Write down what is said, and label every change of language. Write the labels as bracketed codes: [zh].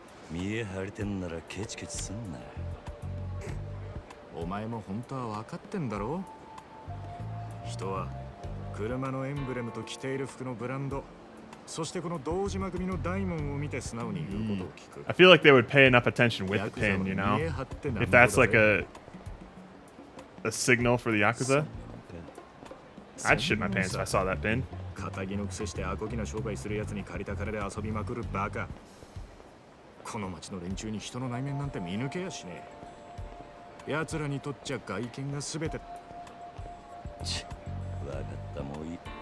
[ja] 見栄張りてんならケチケチすんな。お前も本当は分かってんだろ。人は車のエンブレムと着ている服のブランド、そしてこの堂島組のダイモンを見て素直に言うことを聞く。 [en] I feel like they would pay enough attention with the pin, you know? If that's like a signal for the Yakuza? I'd shit my pants if I saw that pin. [ja] 肩着のくせしてアコギな商売するやつに借りた金で遊びまくるバカ。この街の連中に人の内面なんて見抜けやしねえ。奴らにとっちゃ外見が全て。ち、わかったもういい。